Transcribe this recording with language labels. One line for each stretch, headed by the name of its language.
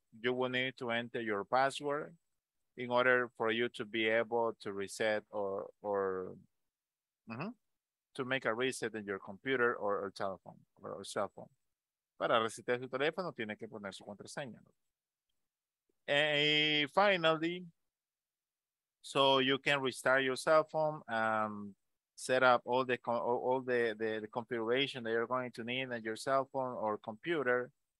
English: You will need to enter your password in order for you to be able to reset or to make a reset in your computer or telephone or cell phone.
Spanish: Para resetear su teléfono tiene que poner su contraseña, ¿no?
English: And finally, so you can restart your cell phone and set up all the configuration that you're going to need in your cell phone or computer.